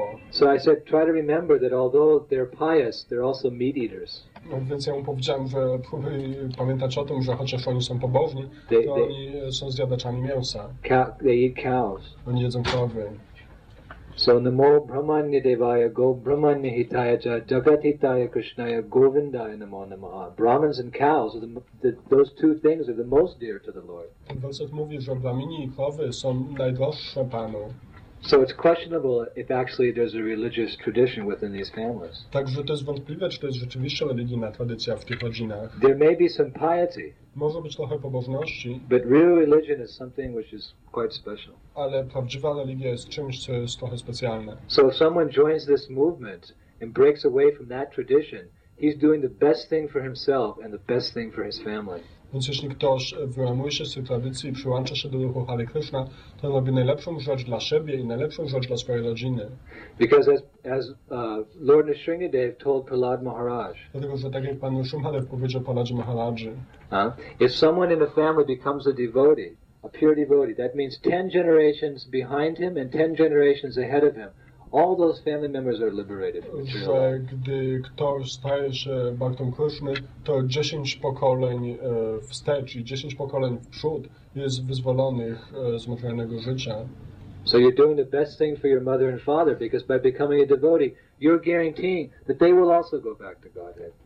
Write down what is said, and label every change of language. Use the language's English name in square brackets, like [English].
[English] So I said, try to remember that although they're pious, they're also meat eaters. [Polish] Więc ja mu powiedziałem, że próbuj pamiętać o tym, że chociaż oni są pobożni, to oni są zjadaczami mięsa. [English] They eat cows. [Polish] Oni jedzą krowy. [Sanskrit] So namo brahmanya devaya go brahmanya hitaya cha jagat hitaya krishnaya govindaya namo namaha. [English] Brahmins and cows are those two things are the most dear to the Lord. [Polish] Werset mówi, że brahmini i krowy są najdroższe Panu. [English] So it's questionable if actually there's a religious tradition within these families. [Polish] Także to jest wątpliwe, czy to jest rzeczywiście religijna tradycja w tych rodzinach. [English] There may be some piety. [Polish] Może być trochę pobożności. [English] But real religion is something which is quite special. [Polish] Ale prawdziwa religia jest czymś, co jest trochę specjalne. [English] So if someone joins this movement and breaks away from that tradition, he's doing the best thing for himself and the best thing for his family. [Polish] Więc jeśli ktoś wyłamuje się z tej tradycji i przyłącza się do ruchu Hare Krishna, to on robi najlepszą rzecz dla siebie i najlepszą rzecz dla swojej rodziny. [English] Because as Lord Nisringadev told Prahlad Maharaj. [Polish] Dlatego, że tak jak Pan Nisringadev powiedział Prahladzie Maharaji. [English] If someone in a family becomes a devotee, a pure devotee, that means 10 generations behind him and 10 generations ahead of him. All those family members are liberated. [Polish] Że gdy ktoś staje się Bhaktą Kryszny, to 10 pokoleń wstecz i 10 pokoleń w przód jest wyzwolonych z materialnego życia. [English] So you're doing the best thing for your mother and father, because by becoming a devotee, you're guaranteeing that they will also go back to Godhead.